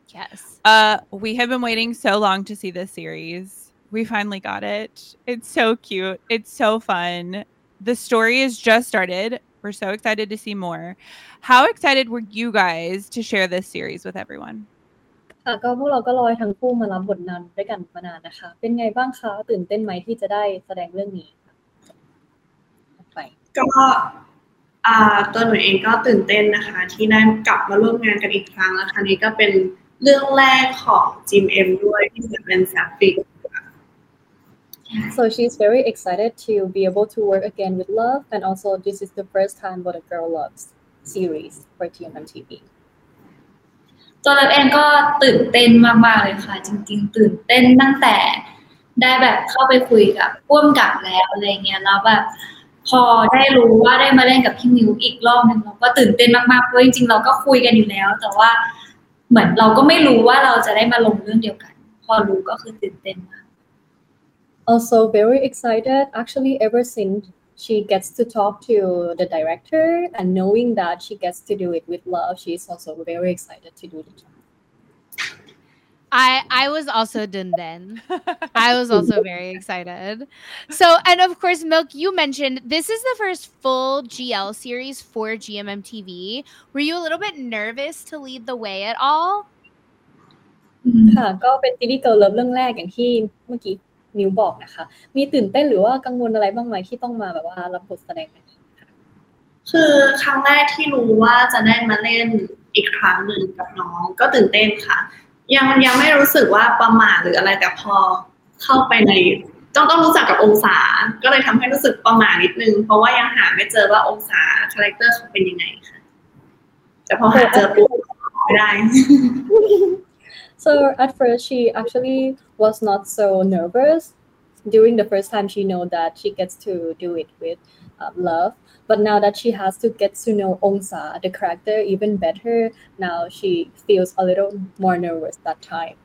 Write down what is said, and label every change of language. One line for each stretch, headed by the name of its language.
English: Yes. We have been waiting so long to see this series. We finally got it. It's so cute. It's so fun. The story has just started. We're so excited to see more. How excited were you guys to share this series with everyone?
Thai: ก็พวกเราก็รอทั้งคู่มารับบทนำด้วยกันมานานนะคะเป็นไงบ้างคะตื่นเต้นไหมที่จะได้แสดงเรื่องนี้ไปก็ตัวหนูเองก็ตื่นเต้นนะคะที่ได้กลับมาร่วมงานกันอีกครั้งแล้วครั้งนี้ก็เป็นเรื่องแรกของจิมเอ็มด้วยที่จะเป็นแซฟฟิก
English: So she's very excited to be able to work again with Love, and also this is the first time What a Girl Loves series for TMMTV.
Thai: ตัวเราเองก็ตื่นเต้นมากๆเลยค่ะจริงๆตื่นเต้นตั้งแต่ได้แบบเข้าไปคุยกับร่วมกับแล้วอะไรเงี้ยแล้วแบบพอได้รู้ว่าได้มาเล่นกับพี่มิวอีกรอบนึงเราก็ตื่นเต้นมากๆเพราะจริงๆเราก็คุยกันอยู่แล้วแต่ว่าเหมือนเราก็ไม่รู้ว่าเราจะได้มาลงเรื่องเดียวกันพอรู้ก็คือตื่นเต้นมาก
English: Also very excited, actually, ever since she gets to talk to the director and knowing that she gets to do it with Love, she's also very excited to do the job. I was also dinden. I was also very excited. So, and of course, Milk, you mentioned this is the first full GL series for GMMTV. Were you a little bit nervous to lead the way at all?
Thai: ก็เป็นซีรีส์เกิร์ลเลิฟเรื่องแรกอย่างที่เมื่อกี้นิวบอกนะคะมีตื่นเต้นหรือว่ากังวลอะไรบ้างไหมที่ต้องมาแบบว่ารับบทแสดง คือครั้งแรกที่รู้ว่าจะได้มาเล่นอีกครั้งหนึ่งกับน้องก็ตื่นเต้นค่ะยังไม่รู้สึกว่าประหม่าหรืออะไรแต่พอเข้าไปในต้องรู้จักกับองศาก็เลยทำให้รู้สึกประหม่านิดนึงเพราะว่ายังหาไม่เจอว่าองศาคาแรคเตอร์เขาเป็นยังไงค่ะแต่พอหาเจอปุ๊บได้
English: So at first, she actually was not so nervous, during the first time she know that she gets to do it with love, but now that she has to get to know Ongsa, the character, even better, now she feels a little more nervous that time.